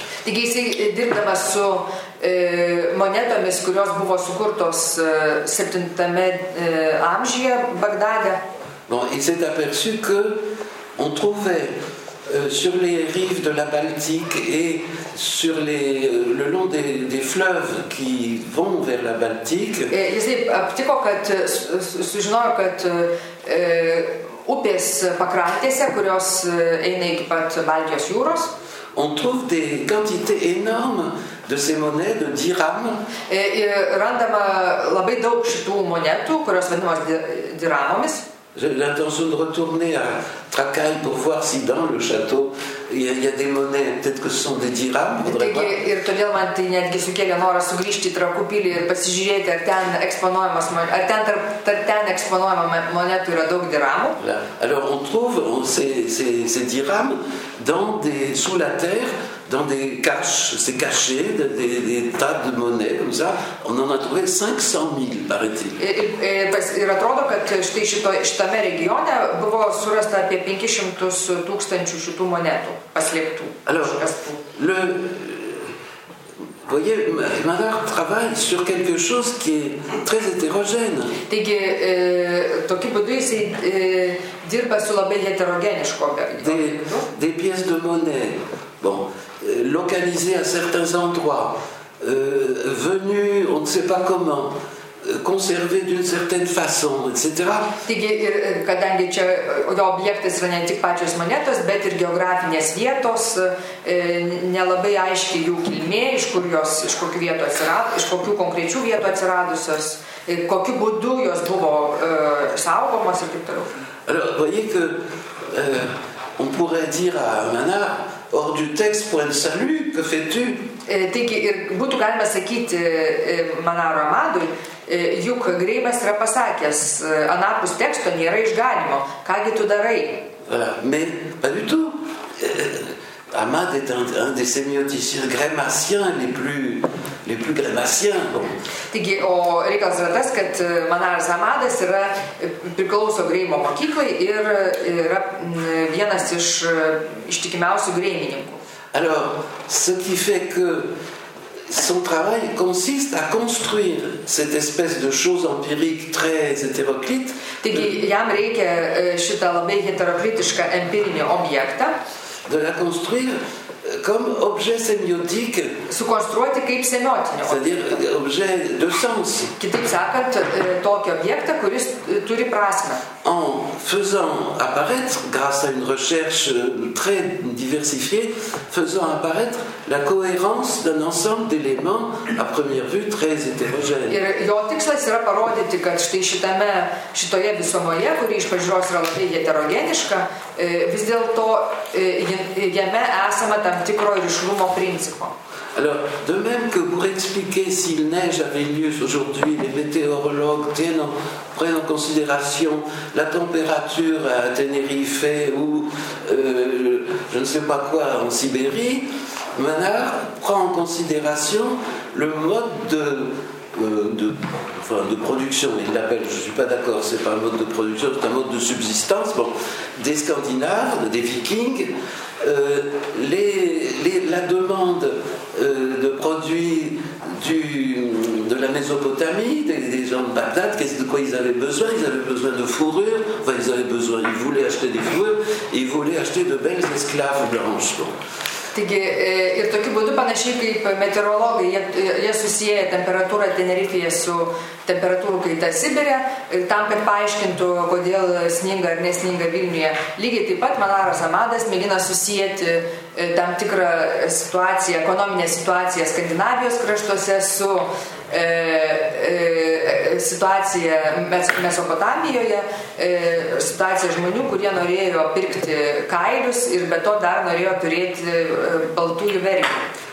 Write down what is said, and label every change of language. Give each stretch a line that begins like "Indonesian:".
Lithuanian: Taigi, jis dirbdamas su monetomis, kurios buvo sukurtos 7e amžyje Bagdade.
French: Bon, il s'est aperçu que on trouvait sur les rives de la Baltique et sur les, le long des fleuves qui vont vers la Baltique. Et il s'est
Lithuanian: aptiko, kad sužinojo, kad upės pakrantėse, kurios eina iki pat Baltijos jūros,
French: on trouve des quantités énormes de ces monnaies de dirhams.
Lithuanian: Et randama labai daug šitų monetų, kurios vadinamos dirhamomis.
French: J'ai l'intention de retourner à Trakai pour voir si dans le château il y a des monnaies, peut-être que ce sont des dirhams.
Lithuanian: Ir todėl man tai netgi sukėlė norą sugrįžti į Trakų pilį ir pasižiūrėti, ar ten eksponuojamas, ar ten ten eksponuojama monetų yra daug dirhamų.
French: Alors on trouve ces dirhams dans des sous la terre, dans des caches, c'est caché, des tas de monnaies comme ça. On en a trouvé 500 000, paraît-il.
Lithuanian: Ir atrodo, kad štai šitame regione buvo surasta apie 500 tūkstančių šitų monetų paslėptų.
French: Alors, le... voyez, Manar travaille sur quelque chose qui est très hétérogène.
Lithuanian: Taigi, tokiu būdu jis dirba su labai heterogenišku objektu.
French: Des pièces de monnaie, bon... localisé à certains endroits, venu, on ne sait pas comment, conservé d'une certaine façon, etc.
Lithuanian: Taigi, ir, kadangi čia jo objektas yra ne tik pačios monetos, bet ir geografinės vietos, nelabai aiškiai jų kilmė, iš kur jos, iš kokių vietų atsirado, iš kokių konkrečių vietų atsiradusios, kokiu būdu jos buvo saugomos ir taip toliau.
French: Alors, voyez que on pourrait dire à Manar, hors du texte point de salut, que fais-tu?
Lithuanian: Taigi, ir būtų galima sakyti Manaro Ahmadui, juk Greimas yra pasakęs, anapus teksto nėra išganimo, kągi tu darai?
French: Mais pas du tout. Ahmad est un des sémioticiens grémassiens les plus grémassiens.
Lithuanian: Taigi, o reikalas yra tas, kad Manaras Ahmadas yra priklauso Greimo mokyklai ir yra vienas iš ištikimiausių greimininkų.
French: Alors, ce qui fait que son travail consiste à construire cette espèce de chose empirique très hétéroclite.
Lithuanian: Taigi, jam reikia šitą labai heteroklitišką empirinį objektą.
French: De la construire comme objet sémiotique.
Lithuanian: Sukonstruoti kaip semiotinio.
French: C'est-à-dire objet de sens.
Lithuanian: Kitaip sakant, tokį objektą, kuris turi prasmę.
French: En faisant apparaître, grâce à une recherche très diversifiée, faisant apparaître la cohérence d'un ensemble d'éléments à première vue très hétérogènes.
Lithuanian: Ir jo tikslas yra parodyti, kad štai šitame, šitoje visumoje, kuri iš pažiūros yra labai heterogeniška, vis dėlto jame esama tam tikro ryšlumo principo.
French: Alors, de même que pour expliquer s'il neige à Vilnius aujourd'hui, les météorologues prennent en considération la température à Tenerife ou je ne sais pas quoi en Sibérie, Manar prend en considération le mode de production, il l'appelle, je ne suis pas d'accord, c'est pas un mode de production, c'est un mode de subsistance, bon, des Scandinaves, des Vikings, la demande de produits de la Mésopotamie, des hommes bagdades, qu'est-ce de quoi ils avaient besoin? Ils avaient besoin de fourrures, enfin ils avaient besoin, ils voulaient acheter des fourrures, et ils voulaient acheter de belles esclaves blanches. Bon.
Lithuanian: Taigi, ir tokiu būdu panašiai kaip meteorologai, jie susieja temperatūrą Tenerifėje su temperatūrų kaita Sibire, tam, kad paaiškintų, kodėl sninga ar nesninga Vilniuje. Lygiai taip pat Manaras Amadas mėgina susijęti tam tikrą situaciją, ekonominę situaciją Skandinavijos kraštuose su situacija Mesopotamijoje, situacija žmonių, kurie norėjo pirkti kailius ir be to dar norėjo turėti baltųjų vergių.